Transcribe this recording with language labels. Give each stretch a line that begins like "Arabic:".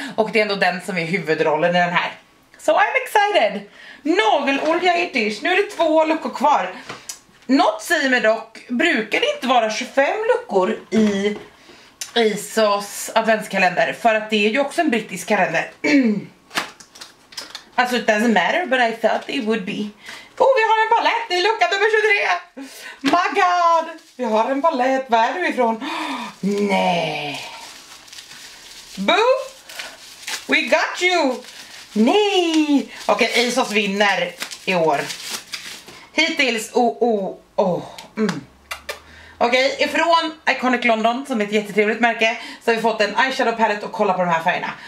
Swedish: Och det är ändå den som är huvudrollen i den här.
English: So I'm excited.
Swedish: Nagelolja
English: it is.
Swedish: Nu är det 2 luckor kvar. Något säger mig dock, brukar det inte vara 25 luckor i ASOS adventskalender? För att det är ju också en brittisk kalender. Alltså
English: it doesn't matter, but I thought it would be.
Swedish: Oh, vi har en palett i lucka nummer 23.
English: My god.
Swedish: Vi har en palett, var är du ifrån?
English: Oh,
Swedish: nej.
English: Boo. We got you.
Swedish: Nej. Okej, okay, ASOS vinner i år. Hittills, okej, okay, ifrån Iconic London, som är ett jättetrevligt märke, så har vi fått en eyeshadow palette och kolla på de här färgerna.